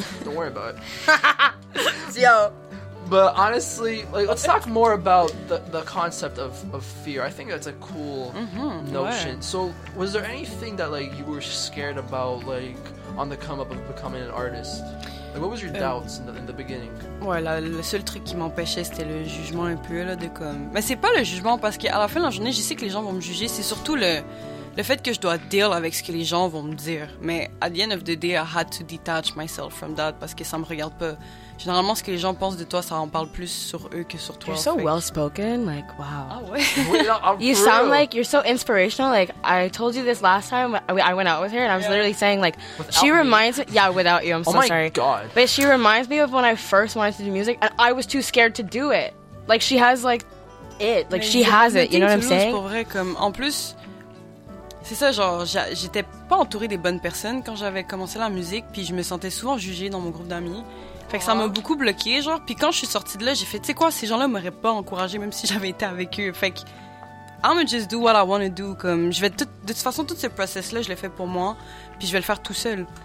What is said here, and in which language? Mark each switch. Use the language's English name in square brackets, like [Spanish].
[English] Don't worry about it. Yo... But honestly, like, let's talk more about the concept of fear. I think that's a cool notion. Right. So, was there anything that, like, you were scared about, like, on the come up of becoming an artist? Like, what was your doubts in the beginning? [French] Ouais, le seul truc qui m'empêchait, c'était le jugement un peu, là, de comme... Mais c'est pas le jugement, parce qu'à la fin de la journée, je sais que les gens vont me juger. C'est surtout le fait que je dois deal avec ce que les gens vont me dire. [English] Mais at the end of the day, I had to detach myself from that, [French] parce que ça me regarde pas... Généralement, ce que les gens pensent de toi, ça en parle plus sur eux que sur toi. [English] You're so well-spoken, like, wow. [French] Ah ouais? [English] You sound like, you're so inspirational. Like, I told you this last time, I went out with her, and I was literally saying, like, she reminds me... Yeah, without you, I'm so sorry. Oh my God. But she reminds me of when I first wanted to do music, and I was too scared to do it. Like, she has, like, it. Like, she has it, you know what I'm saying? [French] C'est pour vrai, comme, en plus... C'est ça, genre, j'étais pas entourée des bonnes personnes quand j'avais commencé la musique, puis je me sentais souvent jugée dans mon groupe d'amis. Fait que ça m'a beaucoup bloquée, genre. Puis quand je suis sortie de là, j'ai fait, tu sais quoi, ces gens-là m'auraient pas encouragée même si j'avais été avec eux. Fait que, [English] I'm gonna just do what I wanna do. [French] Comme, je vais de toute façon, tout ce process-là, je l'ai fait pour moi. Puis je vais le faire tout seul.